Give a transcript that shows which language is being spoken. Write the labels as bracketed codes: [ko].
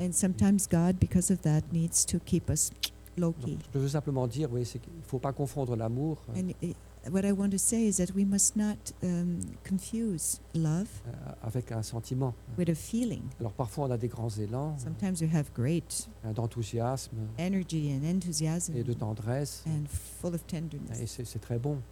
[en] And sometimes God, because of that, needs to keep us low-key. [fr] Je veux simplement dire, oui, c'est qu'il faut pas confondre l'amour. [en] And what I want to say is that we must not confuse love. [fr] Avec un sentiment. [en] With a feeling. [fr] Alors parfois on a des grands élans. [en] Sometimes we have great. [fr] D'enthousiasme. [en] Energy and enthusiasm. [fr] Et de tendresse. [en] And full of tenderness. [fr] Et c'est très bon.